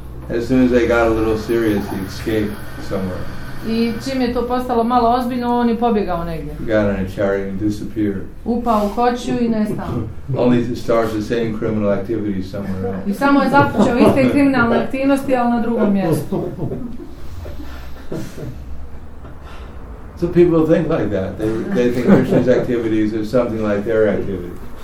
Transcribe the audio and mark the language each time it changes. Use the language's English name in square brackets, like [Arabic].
[English] As soon as they got a little serious, he escaped somewhere. [Bosnian] I čim je to postalo malo ozbiljno, on je pobjegao negdje. [English] He got on a chariot and disappeared. [Bosnian] Upao u koću i nestao. [English] Only to start the same criminal activity somewhere else. [Bosnian] I samo je započeo iste kriminalne aktivnosti, ali na drugom mjestu. [English] So people think like that. They think Krishna's activities are something like their activities.